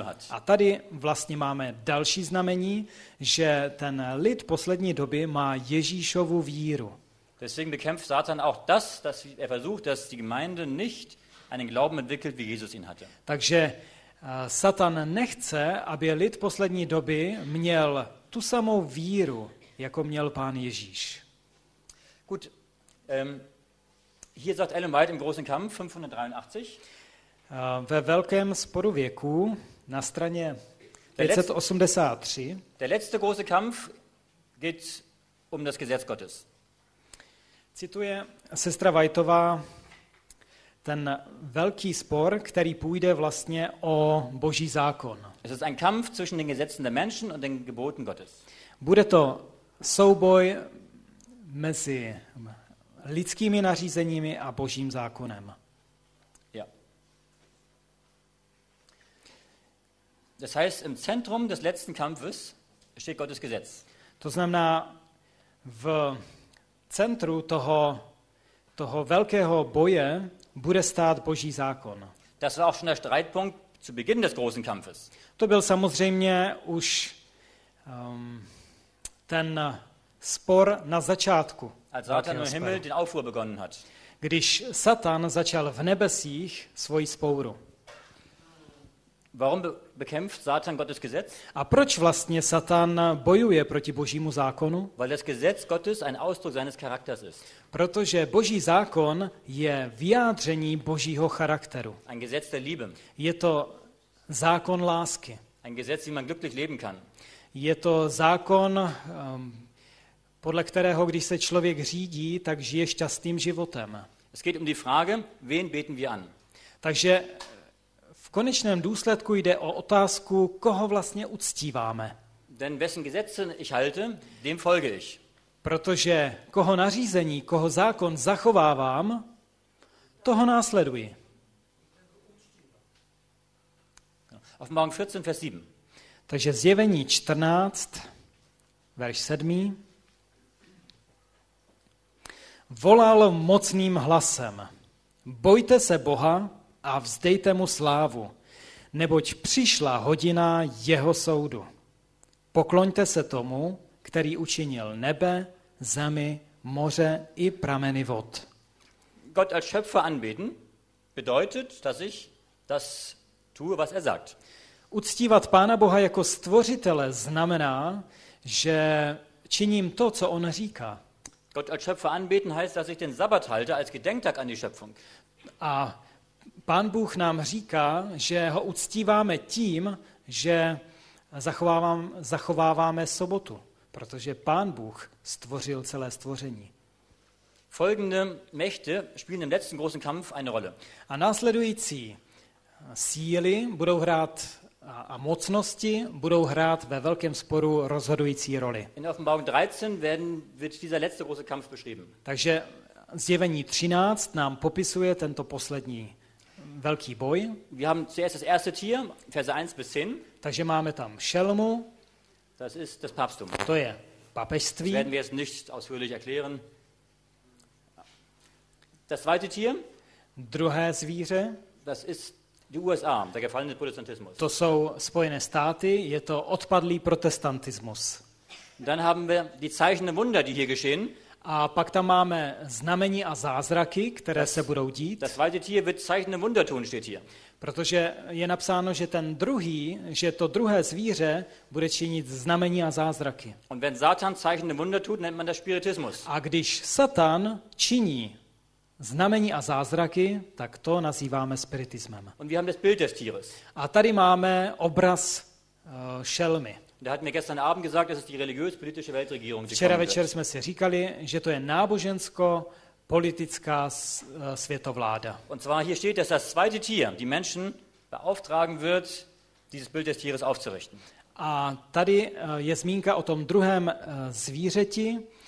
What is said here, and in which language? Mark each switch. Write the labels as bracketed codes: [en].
[cs] A tady vlastně máme další znamení, že ten lid poslední doby má Ježíšovu víru. [de] Deswegen bekämpft Satan auch das, dass er versucht, dass die Gemeinde nicht einen Glauben entwickelt, wie Jesus ihn hatte. [cs] Takže Satan nechce, aby lid poslední doby měl tu samou víru, jako měl Pán Ježíš. [de] Gut. Hier sagt Ellen White im großen Kampf 583. [cs] Ve velkém sporu věku na straně 583. [de] Der letzte große Kampf geht um das Gesetz Gottes. [cs] Cituje sestra Whiteová ten velký spor, který půjde vlastně o Boží zákon. [de] Es ist ein Kampf zwischen den Gesetzen der Menschen und den Geboten Gottes. [cs] Bude to souboj mezi lidskými nařízeními a Božím zákonem. [de] Ja. Das heißt, im Zentrum des letzten Kampfes steht Gottes Gesetz. [cs] To znamená, v centru toho velkého boje bude stát Boží zákon. [de] Das war auch schon der Streitpunkt zu Beginn des großen Kampfes. [cs] To byl samozřejmě už ten spor na začátku. [de] Als Satan im Himmel den Aufruhr begonnen hat. [cs] Když Satan začal v nebesích svoji spouru. [de] Warum bekämpft Satan Gottes Gesetz? [cs] A proč vlastně Satan bojuje proti Božímu zákonu? [de] Weil das Gesetz Gottes ein Ausdruck seines Charakters ist. [cs] Protože Boží zákon je vyjádření Božího charakteru. [de] Ein Gesetz der Liebe. [cs] Je to zákon lásky. [de] Ein Gesetz, wie man glücklich leben kann. [cs] Je to zákon podle kterého, když se člověk řídí, tak žije šťastným životem. [de] Es geht um die Frage, wen beten wir an? [cs] Takže v konečném důsledku jde o otázku, koho vlastně uctíváme. [de] Denn wessen Gesetze ich halte, dem folge ich. [cs] Protože koho nařízení, koho zákon zachovávám, toho následuji. [de] Offenbarung 14, Vers 7. [cs] Takže Zjevení 14, verš 7. Volal mocným hlasem: bojte se Boha a vzdejte mu slávu, neboť přišla hodina jeho soudu. Pokloňte se tomu, který učinil nebe, zemi, moře i prameny vod. [de] Gott als Schöpfer anbeten bedeutet, dass ich das tue, was er sagt. [cs] Uctívat Pána Boha jako stvořitele znamená, že činím to, co on říká. [de] Gott als Schöpfer anbeten heißt, dass ich den Sabbat halte als Gedenktag an die Schöpfung. [cs] A Pán Bůh nám říká, že ho uctíváme tím, že zachováváme sobotu, protože Pán Bůh stvořil celé stvoření. [de] Folgende Mächte spielen im letzten großen Kampf eine Rolle. [cs] A následující síly budou hrát a mocnosti budou hrát ve velkém sporu rozhodující roli. [de] In Offenbarung 13 wird dieser letzte große Kampf beschrieben. [cs] Takže Zjevení 13 nám popisuje tento poslední velký boj. [de] Wir haben zuerst das erste Tier, Verse 1 bis 10. [cs] Takže máme tam šelmu. [de] Das ist das Papsttum. [cs] To je papežství. [de] Das werden wir jetzt nicht ausführlich erklären. Das zweite Tier. [cs] Druhé zvíře. [de] Das ist die USA, der gefallene Protestantismus. [cs] To jsou Spojené státy, je to odpadlý protestantismus. [de] Dann haben wir die Zeichen der Wunder, die hier geschehen. [cs] A pak tam máme znamení a zázraky, které se budou dít. [de] Das zweite Tier wird Zeichen der Wunder tun, steht hier. [cs] Protože je napsáno, že ten druhý, že to druhé zvíře bude činit znamení a zázraky. [de] Und wenn Satan Zeichen der Wunder tut, nennt man das Spiritismus. [cs] A když Satan činí znamení a zázraky, tak to nazýváme spiritismem. [de] Und wir haben das Bild des Tieres. [cs] A tady máme obraz šelmy. [de] Der hat mir gestern Abend gesagt, das ist die religiös-politische Weltregierung. [cs] Včera večer jsme si říkali, že to je nábožensko-politická světovláda. [de] Und zwar hier steht, dass das zweite Tier die Menschen beauftragen wird, dieses Bild des Tieres aufzurichten. [cs] A tady je zmínka o tom druhém zvířeti.